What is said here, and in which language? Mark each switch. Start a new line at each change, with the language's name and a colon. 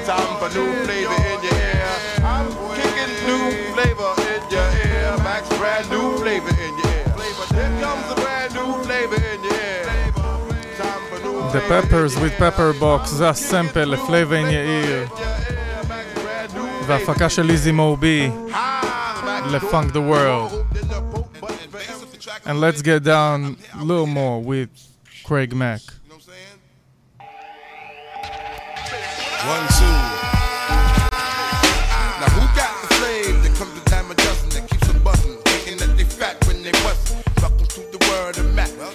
English: Time for new flavor in your ear. I'm kicking new flavor in your ear. Max brand new flavor in your ear. Here comes a brand new flavor in your ear. Time for new.
Hebrew: The Peppers with Pepper Box, זה הסמפל לפלייבר אין יאיר. והפקה של איזי מובי לפונק דה וורלד.
English: And let's get down a little more with Craig Mack. One, two. Now who got the flame that comes a dime a dozen that keeps a button? Thinking that they fat when they bustin'. Welcome to the world of Mac.